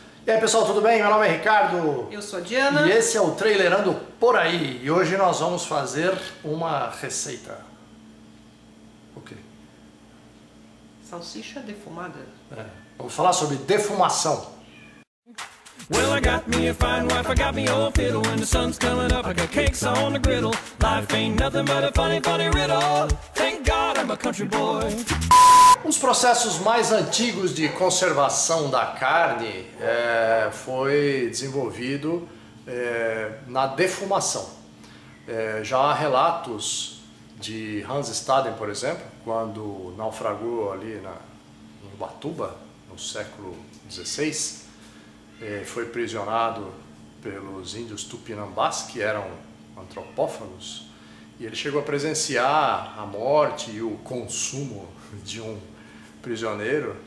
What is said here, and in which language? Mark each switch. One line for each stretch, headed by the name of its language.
Portuguese: E aí, pessoal, tudo bem? Meu nome é Ricardo. Eu sou a Diana. E esse é o Trailerando Por Aí. E hoje nós vamos fazer uma receita. O quê? Salsicha defumada. É. Vamos falar sobre defumação.
English: Well, I got me a fine wife, I got me old fiddle. When the sun's coming up, I got cakes on the griddle. Life ain't nothing but a funny, funny riddle. Thank God I'm a country boy.
Portuguese: Os processos mais antigos de conservação da carne foi desenvolvido na defumação. Já há relatos de Hans Staden, por exemplo, quando naufragou ali em Ubatuba, no século XVI, foi prisionado pelos índios Tupinambás, que eram antropófagos, e ele chegou a presenciar a morte e o consumo de um prisioneiro.